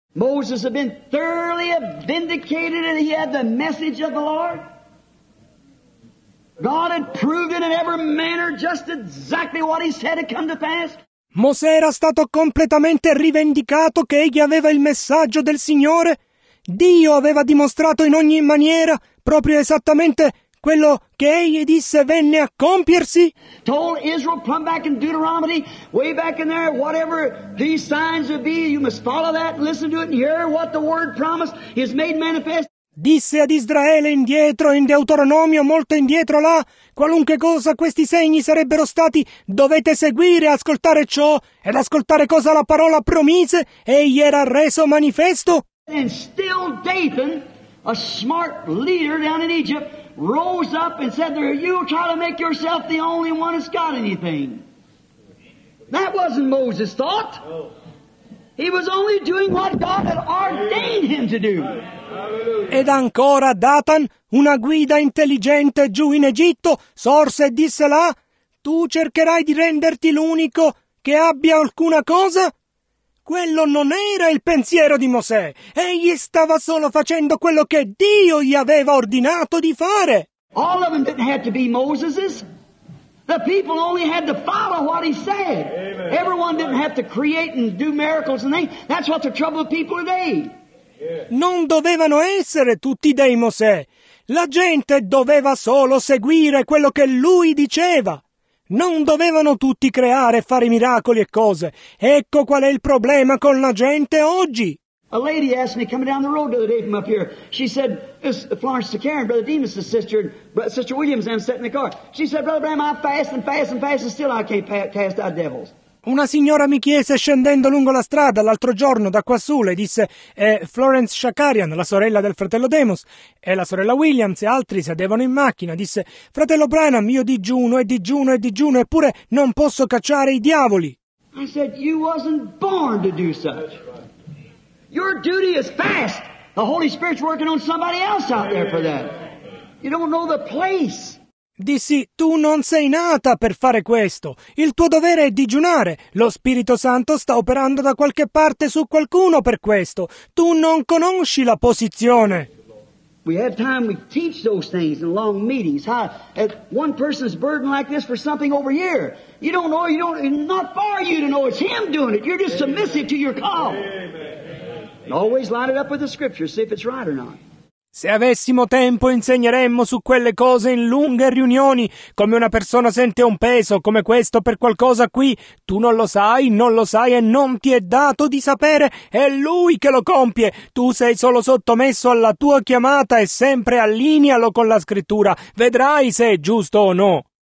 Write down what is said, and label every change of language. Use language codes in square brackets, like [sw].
[en] Moses had been thoroughly vindicated and he had the message of the Lord. God had proven in every manner just exactly what he said had come to pass. [it] Mosè era stato completamente rivendicato che egli aveva il messaggio del Signore. Dio aveva dimostrato in ogni maniera proprio esattamente quello che egli disse venne a compiersi. [en] Told Israel, come back in Deuteronomy, way back in there, whatever these signs would be, you must follow that and listen to it and hear what the word promised is made manifest. [it] Disse ad Israele indietro, in Deuteronomio, molto indietro là, qualunque cosa questi segni sarebbero stati, dovete seguire, ascoltare ciò, ed ascoltare cosa la parola promise, egli era reso manifesto. [en] And still Dathan, a smart leader down in Egypt, rose up and said, you try to make yourself the only one that's got anything. That wasn't Moses' thought. He was only doing what God had ordained him to do. [it] Ed ancora Dathan, una guida intelligente giù in Egitto, sorse e disse là, tu cercherai di renderti l'unico che abbia alcuna cosa? Quello non era il pensiero di Mosè. Egli stava solo facendo quello che Dio gli aveva ordinato di fare. [en] All of them didn't have to be Moses's. The people only had to follow what he said. Amen. Everyone didn't have to create and do miracles and things. That's what the trouble of people today. [it] Non dovevano essere tutti dei Mosè. La gente doveva solo seguire quello che lui diceva. Non dovevano tutti creare e fare miracoli e cose. Ecco qual è il problema con la gente oggi. [en] A lady asked me coming down the road the other day from up here. She said, "This Florence Sakarin, Brother Demas' sister, Sister Williams, I'm sitting in the car." She said, "Brother Bram, I fast and fast and fast and still I can't cast out devils." [it] Una signora mi chiese scendendo lungo la strada l'altro giorno da qua su, le disse, Florence Shakarian, la sorella del fratello Demos, e la sorella Williams e altri sedevano in macchina, disse, fratello Branham, io digiuno e digiuno e digiuno, eppure non posso cacciare i diavoli. [en] I said, you wasn't born to do such. Your duty is fast. The Holy Spirit's working on somebody else out there for that. You don't know the place. [it] Dissi, tu non sei nata per fare questo. Il tuo dovere è digiunare. Lo Spirito Santo sta operando da qualche parte su qualcuno per questo. Tu non conosci la posizione. [en] We have time, we teach those things in long meetings. How, at one person's burden like this for something over here. You don't know, you don't, not for you to know, it's him doing it. You're just submissive to your call. And always line it up with the scripture, see if it's right or not. [it] Se avessimo tempo insegneremmo su quelle cose in lunghe riunioni, come una persona sente un peso come questo per qualcosa qui, tu non lo sai e non ti è dato di sapere, è lui che lo compie, tu sei solo sottomesso alla tua chiamata e sempre allinealo con la scrittura, vedrai se è giusto o no.